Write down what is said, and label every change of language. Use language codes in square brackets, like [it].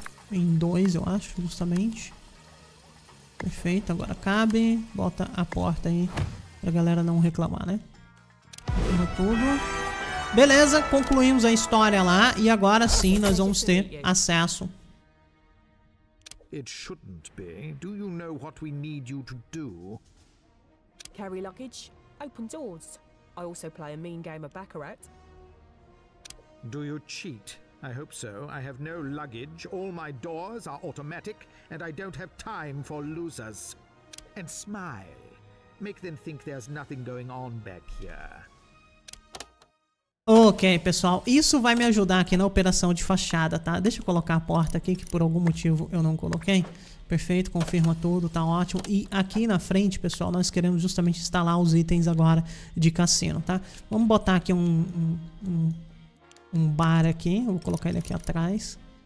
[pt] Em dois, eu acho, justamente. Perfeito, agora cabe. Bota a porta aí pra galera não reclamar, né? Arruma tudo. Beleza, concluímos a história lá. E agora sim nós vamos ter acesso. [en] It shouldn't be. Do you know what we need you to do? Carry luggage, open doors. I also play a mean game of baccarat. Do you cheat? I hope so. I have no luggage, all my doors are automatic, and I don't have time for losers. And smile. Make them think there's nothing going on back here. [pt] Ok, pessoal, isso vai me ajudar aqui na operação de fachada, tá? Deixa eu colocar a porta aqui, que por algum motivo eu não coloquei. Perfeito, confirma tudo, tá ótimo. E aqui na frente, pessoal, nós queremos justamente instalar os itens agora de cassino, tá? Vamos botar aqui um bar aqui, vou colocar ele aqui atrás.